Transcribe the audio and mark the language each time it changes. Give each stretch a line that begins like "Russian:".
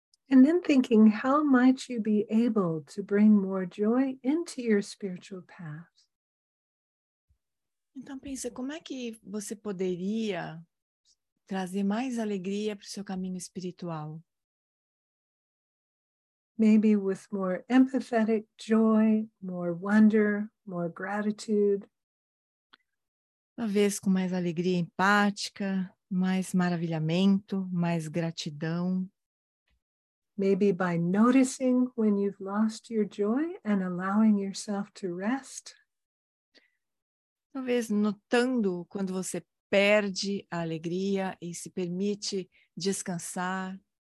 English: And then thinking, how might you be able to bring more joy into your spiritual path?
Portuguese: Então pensa, como é que você poderia trazer mais alegria para o seu caminho espiritual?
English: Maybe with more empathetic joy, more wonder, more gratitude.
Portuguese: Talvez com mais alegria empática, mais maravilhamento, mais gratidão.
English: Maybe by noticing when you've lost your joy and allowing yourself to rest.
Portuguese: Talvez notando quando você perde a alegria e se permite descansar.